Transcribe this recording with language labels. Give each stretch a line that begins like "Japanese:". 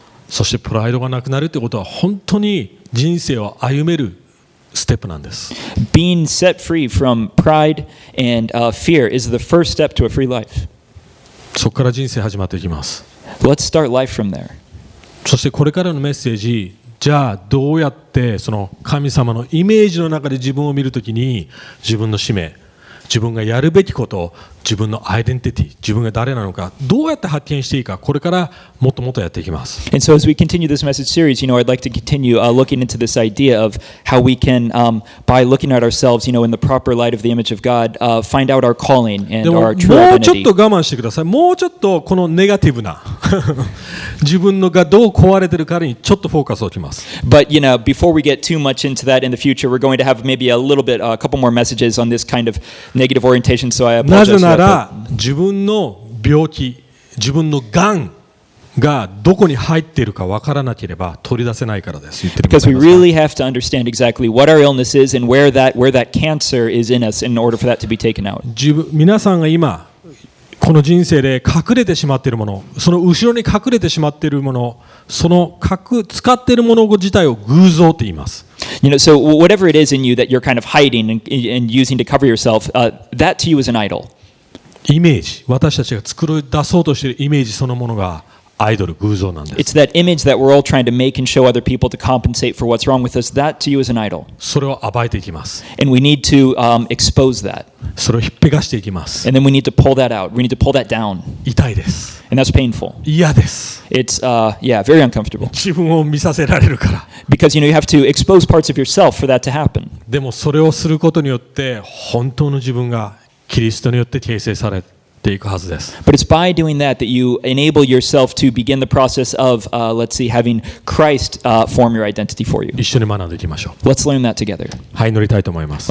Japanese: そしてプライドがなくなるということは本当に人生を歩めるステップなんです。
English: Being set free from pride and fear is the first step to a free life.
Japanese: そこから人生始まっていきます。
English: Let's start life from there.
Japanese: そしてこれからのメッセージ、じゃあどうやってその神様のイメージの中で自分を見るときに自分の使命、自分がやるべきこと、自分のアイデンティティ、自分が誰なのか、どうやって発見していいか、これからもっともっとやっていきます。
English: And so as we continue this message series, you know, I'd like to continue looking into this idea of how we can, by looking at ourselves, you know, in the proper light of the image of God, find out our calling and our true identity.
Japanese: でももうちょっと我慢してください。もうちょっとこのネガティブな自分のがどう壊れてるかにちょっとフォーカスを置きます。
English: But you know, before we get too much into that in the future, we're going to have maybe a little bit, a couple more messages on this kind of negative orientation. So I apologize.
Japanese: なら自分の病気、自分のがんがどこに入っているかわからなければ取り出せないからです。
English: Because we really have to understand exactly what our illness is and where that cancer is in us in order for that to be taken out.
Japanese: 皆さんが今この人生で隠れてしまっているもの、その後ろに隠れてしまっているもの、その使っているもの自体を偶像と言います。
English: You know, so whatever it is in you that you're kind of hiding and using to cover yourself, that to you is an idol.
Japanese: イメージ、私たちが作り出そうとしているイメージそのものがアイドル、偶像なんです。
English: It's that image that we're all trying to make and show other people to compensate for what's wrong with us. That to you is an idol.
Japanese: それを暴いていきます。
English: And we need to expose that.
Japanese: それを引っぺがしていきます。
English: And then we need to pull that out. We need to pull that down.
Japanese: 痛いです。
English: And that's painful.
Japanese: 嫌です。
English: It's very uncomfortable.
Japanese: 自分を見させられるから。
English: Because you know you have to expose parts of yourself for that to happen.
Japanese: でもそれをすることによって本当の自分がキリストによって形成されていくはずです。
English: But it's by doing that that you enable yourself to begin the process of, let's see, having Christ form your identity for you.
Japanese: 一緒に学んでいきましょう。
English: Let's learn that together.
Japanese: はい、祈りたいと思います。